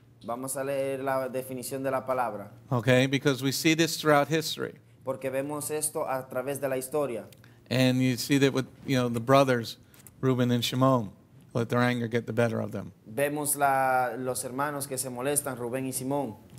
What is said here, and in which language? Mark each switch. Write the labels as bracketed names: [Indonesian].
[Spanish] Vamos a leer la definición de la palabra. [English] Okay, because we see this throughout history. [Spanish] Porque vemos esto a través de la historia. [English] And you see that with, you know, the brothers, Reuben and Shimon, let their anger get the better of them. [Spanish] Vemos la, los hermanos que se molestan, Reuben y Simón.